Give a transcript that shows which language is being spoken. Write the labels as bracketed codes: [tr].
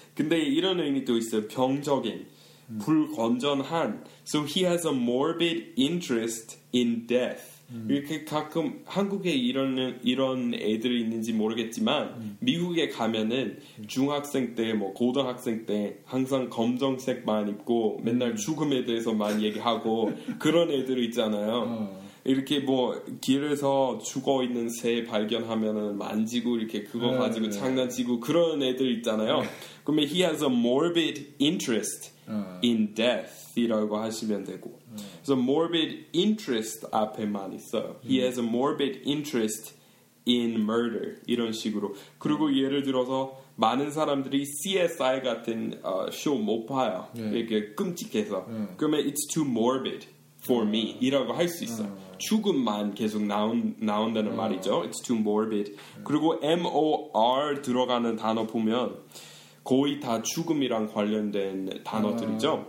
[ko] 근데 이런 의미도 있어요. 병적인. 불건전한 [en] So he has a morbid interest in death [ko] 이렇게 가끔 한국에 이런 애들이 있는지 모르겠지만 미국에 가면은 중학생 때 뭐 고등학생 때 항상 검정색만 입고 맨날 죽음에 대해서만 얘기하고 그런 애들이 있잖아요 이렇게 뭐 길에서 죽어 있는 새 발견하면은 만지고 이렇게 그거 네, 가지고 네. 장난치고 그런 애들 있잖아요. 네. 그러면 [en] he has a morbid interest 인 death이라고 하시면 되고. [ko] 그래서 morbid interest 앞에만 있어요. [en] He has a morbid interest in murder 이런 식으로. [ko] 그리고 예를 들어서 많은 사람들이 CSI 같은 쇼 못 봐요. 네. 이렇게 끔찍해서. 그러면 [en] it's too morbid for me [ko] 이라고 할 수 있어요. 죽음만 계속 나온다는 말이죠. [en] It's too morbid. [ko] 그리고 MOR 들어가는 단어 보면 거의 다 죽음이랑 관련된 단어들이죠.